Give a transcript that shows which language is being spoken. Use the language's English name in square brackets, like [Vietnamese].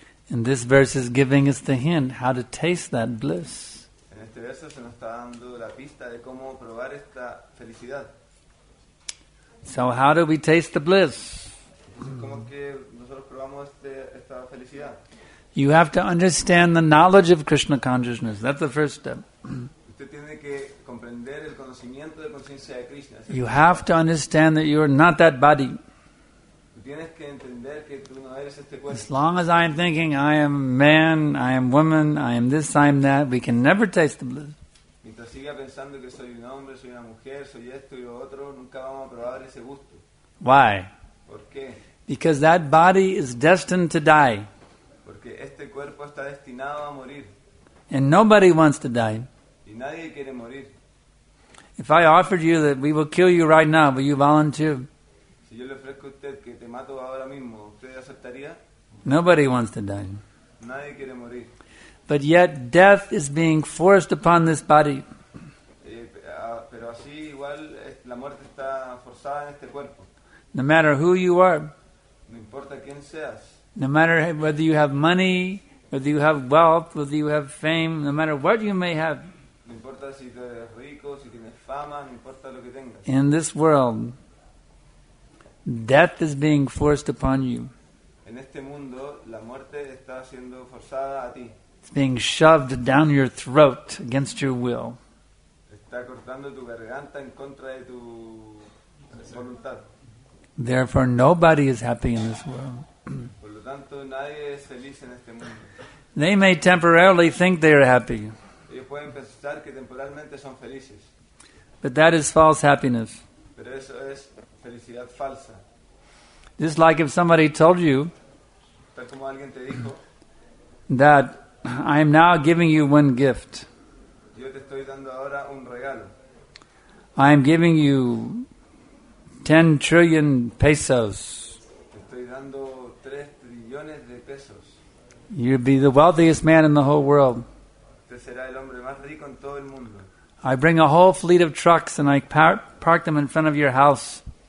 [English] And this verse is giving us the hint how to taste that bliss. [Spanish] Este verso se nos está dando la pista de cómo probar esta felicidad. [English] So how do we taste the bliss? [Spanish] ¿Cómo que nosotros probamos esta felicidad? [English] You have to understand the knowledge of Krishna consciousness. That's the first step. [Spanish] Usted tiene que comprender el conocimiento de conciencia de Krishna. [English] You have to understand that you are not that body. [Spanish] Tienes que entender que tú no eres este cuerpo. [English] As long as I am thinking I am man, I am woman, I am this, I am that, we can never taste the bliss. [Spanish] Mientras siga pensando que soy un hombre, soy una mujer, soy esto y lo otro, nunca vamos a probar ese gusto. [English] Why? [Spanish] ¿Por qué? [English] Because that body is destined to die. [Spanish] Porque este cuerpo está destinado a morir. [English] And nobody wants to die. [Spanish] Y nadie quiere morir. [English] If I offered you that we will kill you right now, will you volunteer? [Spanish] Si yo le ofrezco a usted que te mato ahora mismo, ¿usted aceptaría? [English] Nobody wants to die. [Spanish] Nadie quiere morir. [English] But yet death is being forced upon this body. [Spanish] Pero así igual la muerte está forzada en este cuerpo. [English] No matter who you are. [Spanish] No importa quién seas. [English] No matter whether you have money, whether you have wealth, whether you have fame, no matter what you may have. [Spanish] No importa si eres rico, si tienes fama, no importa lo que tengas. [English] In this world, death is being forced upon you. [Spanish] En este mundo, la muerte está siendo forzada a ti. [English] It's being shoved down your throat against your will. [Spanish] Está cortando tu garganta en contra de tu voluntad. [English] Therefore, nobody is happy in this world. [Spanish] Por lo tanto, nadie es feliz en este mundo. [English] They may temporarily think they are happy. [Spanish] Ellos pueden pensar que temporalmente son felices. [English] But that is false happiness. [Spanish] Pero eso es felicidad falsa. [English] Just like if somebody told you [Spanish] tal como alguien te dijo, [English] that I am now giving you one gift. [Spanish] Yo te estoy dando ahora un regalo. [English] I am giving you 10 trillion pesos. [Spanish] Te estoy dando 3 trillones de pesos. [English] You'd be the wealthiest man in the whole world. [Spanish] Te será el hombre más rico en todo el mundo. [English] I bring a whole fleet of trucks and I park them in front of your house.